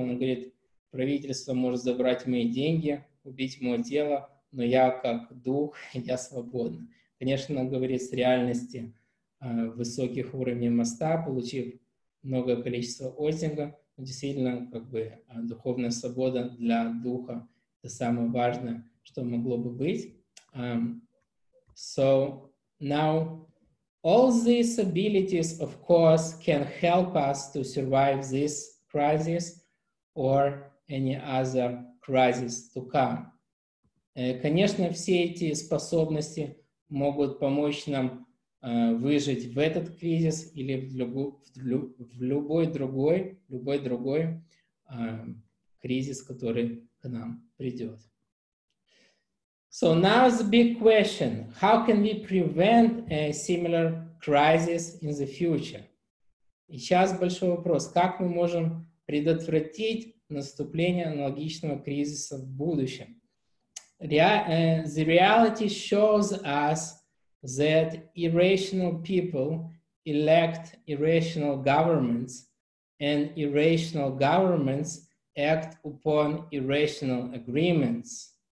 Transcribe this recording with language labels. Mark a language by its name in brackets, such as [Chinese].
[Russian] Она говорит, правительство может забрать мои деньги, убить мое тело, но я как дух, я свободна. Конечно, она говорит с реальности высоких уровней моста, получив многое количество отзинга. Действительно, как бы духовная свобода для духа – это самое важное, что могло бы быть. [English] So now, all these abilities, of course, can help us to survive this crisis or any other crisis to come. [Russian] Конечно, все эти способности могут помочь нам выжить в этот кризис или в любой другой кризис, который к нам придет. [English] So now the big question, how can we prevent a similar crisis in the future? [Russian] И сейчас большой вопрос, как мы можем предотвратить наступление аналогичного кризиса в будущем? [English] The reality shows us that irrational people elect irrational governments, and irrational governments act upon irrational agreements.